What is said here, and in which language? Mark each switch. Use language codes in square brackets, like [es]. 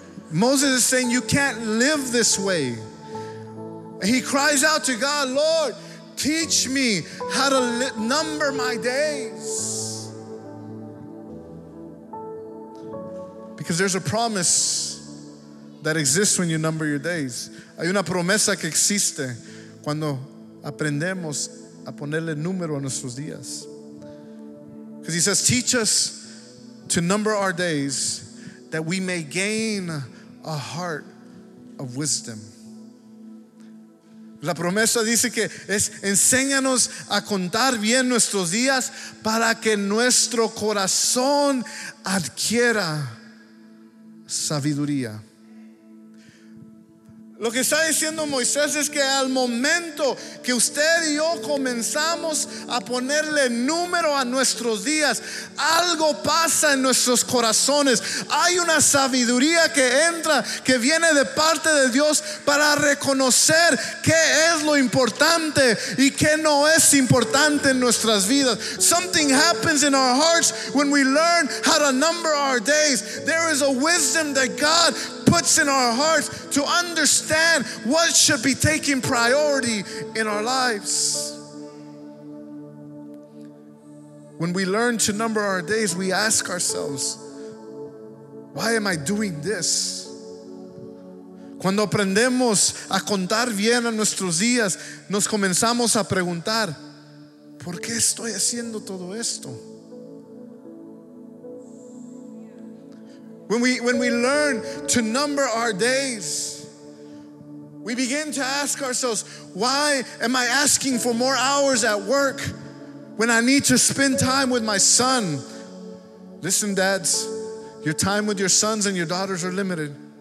[en] Moses is saying, you can't live this way. And he cries out to God, Lord, teach me how to number my days. Because there's a promise that exists when you number your days. [es] Hay una promesa que existe cuando aprendemos a ponerle número a nuestros días. [en] Because he says, teach us to number our days that we may gain a heart of wisdom. [es] La promesa dice que es enséñanos a contar bien nuestros días para que nuestro corazón adquiera sabiduría. Lo que está diciendo Moisés es que al momento que usted y yo comenzamos a ponerle número a nuestros días, algo pasa en nuestros corazones. Hay una sabiduría que entra, que viene de parte de Dios para reconocer qué es lo importante y qué no es importante en nuestras vidas. [en] Something happens in our hearts when we learn how to number our days. There is a wisdom that God puts in our hearts to understand what should be taking priority in our lives. When we learn to number our days, we ask ourselves, why am I doing this? [es] Cuando aprendemos a contar bien a nuestros días, nos comenzamos a preguntar, ¿por qué estoy haciendo todo esto? [en] When we learn to number our days, we begin to ask ourselves, why am I asking for more hours at work when I need to spend time with my son? Listen, dads, your time with your sons and your daughters are limited.